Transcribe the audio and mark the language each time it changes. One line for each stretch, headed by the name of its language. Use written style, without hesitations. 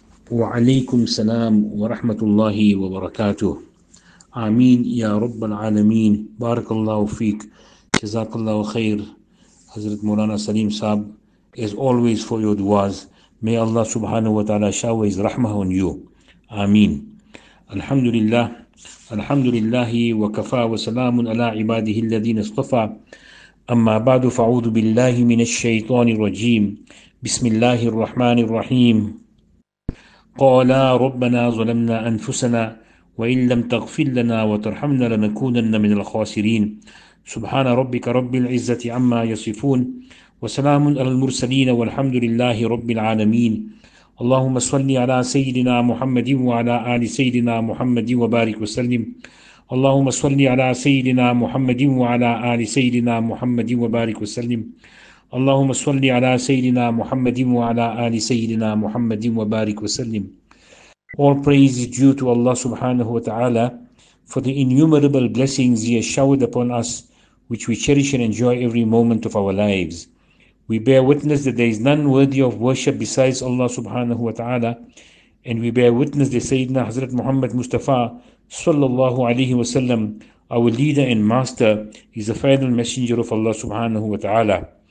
Arabic: وعليكم السلام ورحمة الله وبركاته. آمين يا رب العالمين. بارك الله فيك، جزاك الله خير حضرت مولانا سليم صاحب.
English: As always for your duas, may Allah subhanahu wa ta'ala shower his rahmah on you.
Arabic: Ameen. Alhamdulillah. Alhamdulillahi wa kafa wa salamun ala ibadihi alladhin istafa. Amma ba'du fa'udhu billahi min ash-shaytani rajim. Bismillahi ar-Rahman ar-Rahim. Qala rabbana zalamna anfusana wa in lam taghfir lana wa tarhamna lanakunanna min al-khasirin. Subhana rabbika rabbil izzati amma yasifun. وسلام على المرسلين والحمد لله رب العالمين. اللهم صل على سيدنا محمد وعلى آل سيدنا محمد وبارك وسلم. اللهم صل على سيدنا محمد وعلى آل سيدنا محمد وبارك وسلم. اللهم صل على سيدنا محمد وعلى آل سيدنا محمد وبارك وسلم.
English: All praise is due to Allah subhanahu wa ta'ala for the innumerable blessings He has showered upon us, which we cherish and enjoy every moment of our lives. We bear witness that there is none worthy of worship besides Allah subhanahu wa ta'ala, and we bear witness that Sayyidina Hazrat Muhammad Mustafa sallallahu alayhi wa sallam, our leader and master, is the final messenger of Allah subhanahu wa ta'ala.